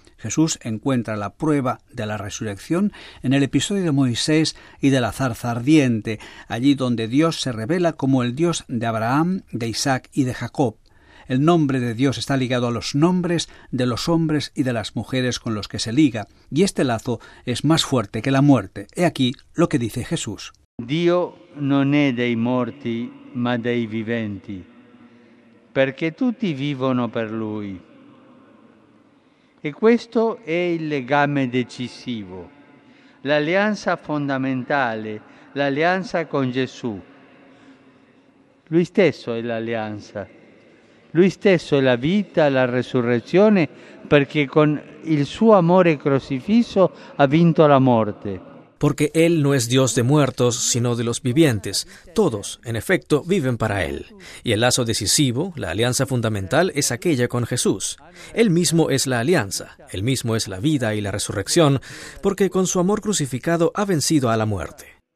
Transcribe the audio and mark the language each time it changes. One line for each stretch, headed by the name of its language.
Spanish: Jesús encuentra la prueba de la resurrección en el episodio de Moisés y de la zarza ardiente, allí donde Dios se revela como el Dios de Abraham, de Isaac y de Jacob. El nombre de Dios está ligado a los nombres de los hombres y de las mujeres con los que se liga, y este lazo es más fuerte que la muerte. He aquí lo que dice Jesús.
Italian: Dio non è dei morti, ma dei viventi, perché tutti vivono per lui. E questo è il legame decisivo, l'alleanza fondamentale, l'alleanza con Gesù. Lui stesso è l'alleanza. Lui stesso è la vita, la resurrezione, perché con il suo amore crocifisso ha vinto la morte.
Spanish: Porque Él no es Dios de muertos, sino de los vivientes. Todos, en efecto, viven para Él. Y el lazo decisivo, la alianza fundamental, es aquella con Jesús. Él mismo es la alianza, Él mismo es la vida y la resurrección, porque con su amor crucificado ha vencido a la muerte.